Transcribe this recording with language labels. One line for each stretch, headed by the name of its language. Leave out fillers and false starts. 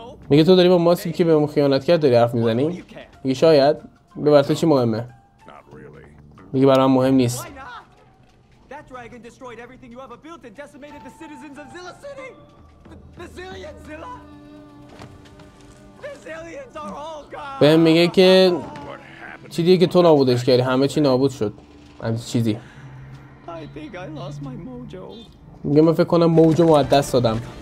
Persian: میگه تو داری با ماسکی که بهمون خیانت کرد داری حرف میزنی؟ میگه شاید. به برای تو چی مهمه؟ میگه برای من مهم نیست.
English: That dragon destroyed everything you ever built and decimated the citizens of Zilla City. The Zillians, Zilla. The Zillians are all gone.
Persian: بهم میگه که چی دیگه که تو نابودش کردی، همه چی نابود شد. همه چیزی.
English: I think I lost my mojo.
Persian: میگه من فکر کنم موجو از دست دادم.